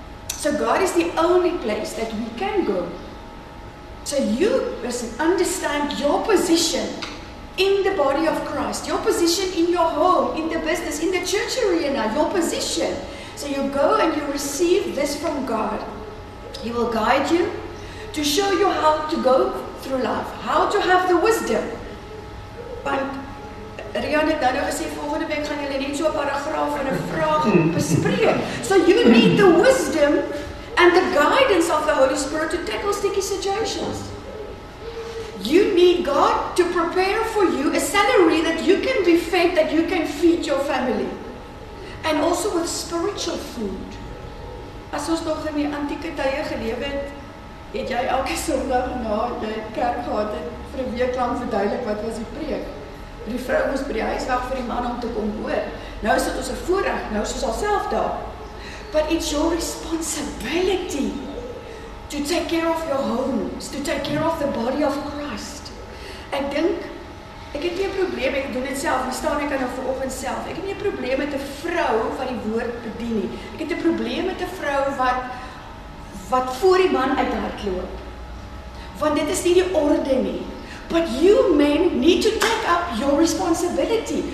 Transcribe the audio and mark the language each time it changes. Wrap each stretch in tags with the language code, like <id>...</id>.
<en>So God is the only place that we can go. So you listen, understand your position in the body of Christ, your position in your home, in the business, in the church arena, your position. So you go and you receive this from God. He will guide you to show you how to go through life, how to have the wisdom.</en> <af>But Rian het nou gesê, volgende week gaan julle net so 'n paragraaf en 'n vraag bespreek.</af> <en>So you need the wisdom and the guidance of the Holy Spirit to tackle sticky situations. You need God to prepare for you a salary that you can be fed, that you can feed your family. And also with spiritual food.</en> <af>As ons nog in die antieke tye geleef het, het jy elke Sondag na jy kerk gehad het, vir 'n week lang verduidelik wat was die preek. Die vrou moes by die huis wag vir die man om te kom hoor. Nou is dit ons 'n voorreg, nou is ons alself daar.</af> <en>But it's your responsibility to take care of your home, to take care of the body of Christ.</en> <af>Ek dink, ek het nie probleme, ek doen dit self, hier staan ek aan nou vanoggend self. Ek het nie probleme met 'n vrou van die woord bedien nie. Ek het 'n probleme met 'n vrou wat voor die man uit haar loop. Want dit is nie die orde nie.</af> <en>But you men need to take up your responsibility.</en>